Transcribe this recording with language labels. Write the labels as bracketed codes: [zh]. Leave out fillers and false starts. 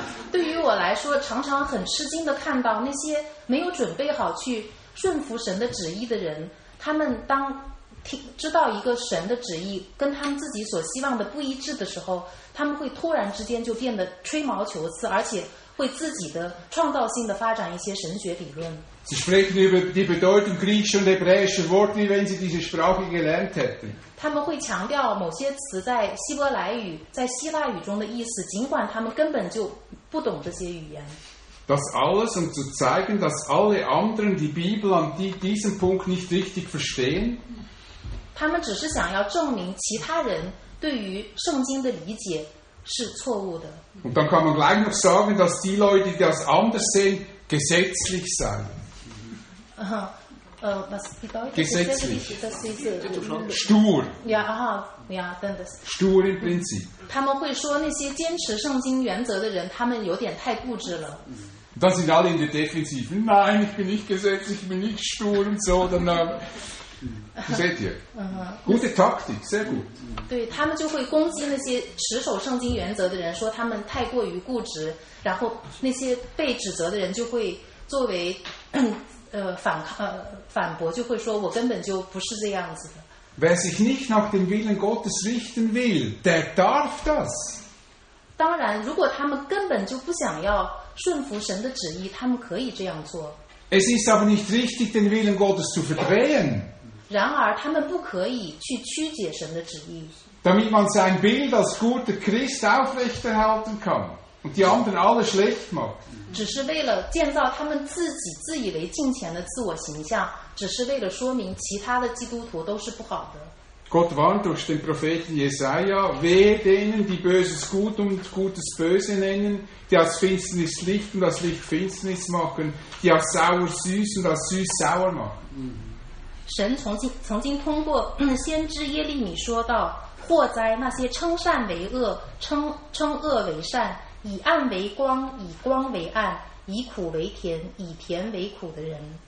[zh] 对于我来说，常常很吃惊地看到那些没有准备好去顺服神的旨意的人，他们当知道一个神的旨意跟他们自己所希望的不一致的时候，他们会突然之间就变得吹毛求疵，而且会自己的创造性地发展一些神学理论。 [de] Sie sprechen über die Bedeutung griechischer und hebräischer Worte, wie wenn sie diese Sprache gelernt hätten. [zh] 他们会强调某些词在希伯来语、在希腊语中的意思，尽管他们根本就不懂这些语言。 [de] Das alles, um zu zeigen, dass alle anderen die Bibel an diesem Punkt nicht richtig verstehen. [zh] 他们只是想要证明其他人对于圣经的理解是错误的。 [de] Und dann kann man gleich noch sagen, dass die Leute, die das anders sehen, gesetzlich seien. Was bedeutet gesetzlich? Das ist, stur. Ja, aha, ja, dann das. Stur im Prinzip. [zh] 他们会说那些坚持圣经原则的人，他们有点太固执了。 [de] Dann sind alle in der Defensive. Nein, ich bin nicht gesetzlich, ich bin nicht stur und so. Dann, seht ihr? Gute Taktik, sehr gut. [zh] 对他们就会攻击那些持守圣经原则的人，说他们太过于固执，然后那些被指责的人就会作为。反驳就会说我根本就不是这样子的。 [de] Wer sich nicht nach dem Willen Gottes richten will, der darf das. [zh] 当然，如果他们根本就不想要顺服神的旨意，他们可以这样做。 [de] Es ist aber nicht richtig, den Willen Gottes zu verdrehen. [zh] 然而，他们不可以去曲解神的旨意。 [de] Damit man sein Bild als guter Christ aufrechterhalten kann. Und die anderen alle schlecht macht. [zh] 只是为了建造他们自己自以为敬虔的自我形象，只是为了说明其他的基督徒都是不好的。 [de] Gott warnt durch den Propheten Jesaja: Wehe denen, die Böses Gut und Gutes Böse nennen, die aus Finsternis Licht und aus Licht Finsternis machen, die aus Sauer Süß und aus Süß Sauer machen. [zh] 神曾经通过先知耶利米说到：祸灾那些称善为恶、称恶为善、以暗为光、以光为暗、以苦为甜、以甜为苦的人。